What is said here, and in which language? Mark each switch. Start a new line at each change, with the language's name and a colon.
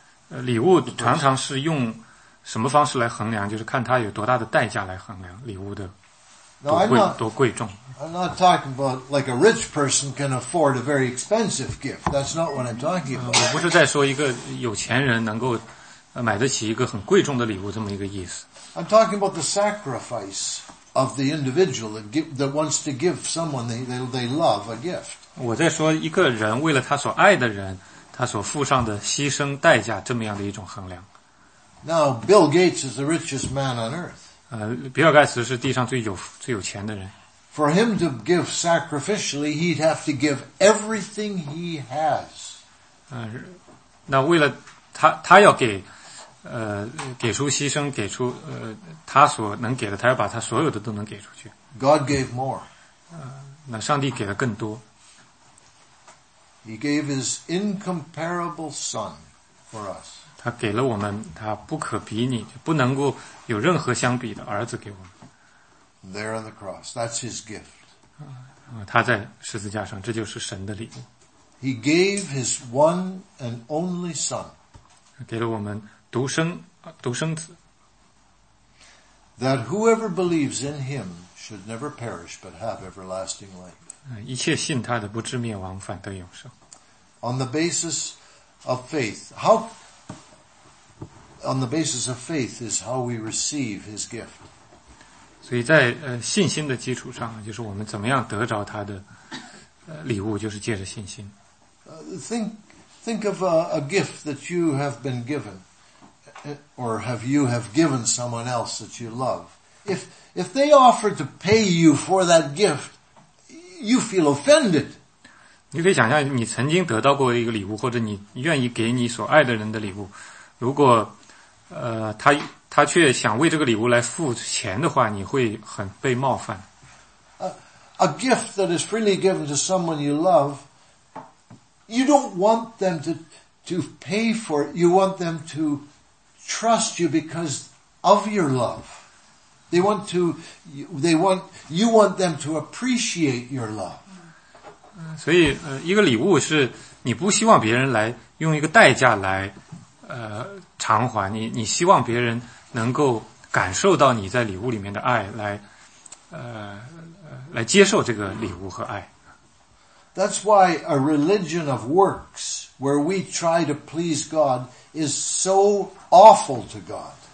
Chinese: 礼物常常是用什么方式来衡量，就是看它有多大的代价来衡量礼物的多贵重。
English: I'm not talking about like a rich person can afford a very expensive gift. That's not what I'm talking about.
Chinese: 我不是在说一个有钱人能够买得起一个很贵重的礼物这么一个意思。
English: I'm talking about the sacrifice of the individual that wants to give someone they love a gift.
Chinese: 我在说一个人为了他所爱的人他所付上的牺牲代价这么样的一种衡量。
English: Now, Bill Gates is the richest man on earth.
Chinese: 比尔盖茨是地上最有钱的人。
English: For him to give sacrificially, he'd have to give everything he has.
Chinese: 那为了他要给给出牺牲给出他所能给的他要把他所有的都能给出去。
English: God gave more.
Chinese: 那上帝给了更多。
English: He gave his incomparable son for us.
Chinese: 他给了我们他不可比拟不能够有任何相比的儿子给我们。
English: There on the cross, that's his gift.
Chinese: 他在十字架上，这就是神的礼物。
English: He gave his one and only son.
Chinese: 给了我们独生子。
English: That whoever believes in him should never perish but have everlasting life.
Chinese: 一切信他的不至灭亡，反得永生。
English: On the basis of faith, is how we receive his gift.
Chinese: 所以在信心的基础上就是我们怎么样得着他的礼物就是借着信心。
English: Think of a gift that you have been given, or have you have given someone else that you love. If they offer to pay you for that gift, you feel offended.
Chinese: 你可以想象你曾经得到过一个礼物或者你愿意给你所爱的人的礼物如果他却想为这个礼物来付钱的话，你会很被冒犯。
English: A gift that is freely given to someone you love, you don't want them to pay for it. You want them to trust you because of your love. You want them to appreciate your love.
Chinese: 所以一个礼物是你不希望别人来用一个代价来偿还你希望别人能够感受到你在礼物里面的爱来接受这个礼物和爱。
English: That's why a religion of works where we try to please God is so awful to God.